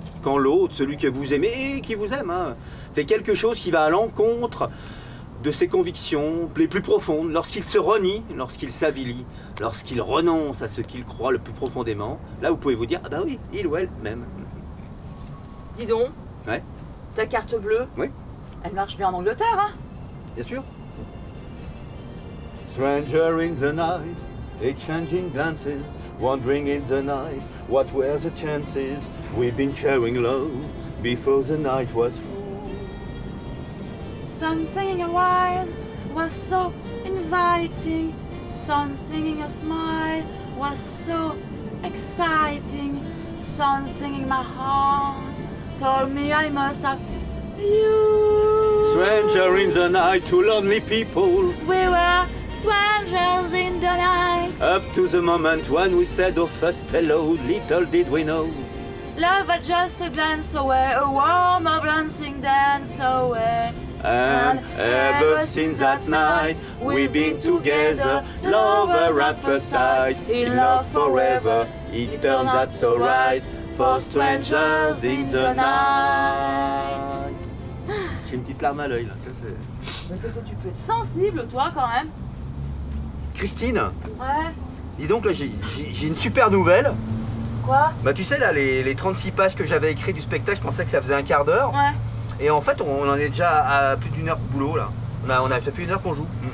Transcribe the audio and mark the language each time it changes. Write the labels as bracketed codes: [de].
[fr] Quand l'autre, celui que vous aimez et qui vous aime, hein, fait quelque chose qui va à l'encontre de ses convictions les plus profondes, lorsqu'il se renie, lorsqu'il s'avilie, lorsqu'il renonce à ce qu'il croit le plus profondément, là vous pouvez vous dire, ah bah oui, il ou elle m'aime. Dis donc, ouais. Ta carte bleue, oui. Elle marche bien en Angleterre, hein ? Bien sûr. [en] Stranger in the night, exchanging glances, wondering in the night, what were the chances? We've been sharing love before the night was through. Something in your eyes was so inviting. Something in your smile was so exciting. Something in my heart told me I must have you. Stranger in the night, two lonely people. We were strangers in the night. Up to the moment when we said our first hello, little did we know. Love was just a glance away, a warm, a glancing dance away. And ever since that night, we've been together, lover at first sight. In love forever, it turns out so right, for strangers in the night. [fr] J'ai une petite larme à l'œil là. Mais qu'est-ce que tu peux être sensible, toi, quand même ? Christine ? Ouais ? Dis donc, là, j'ai une super nouvelle. Quoi ? Bah, tu sais, là, les 36 pages que j'avais écrites du spectacle, je pensais que ça faisait un quart d'heure. Ouais. Et en fait, on en est déjà à plus d'une heure de boulot, là. Ça fait une heure qu'on joue.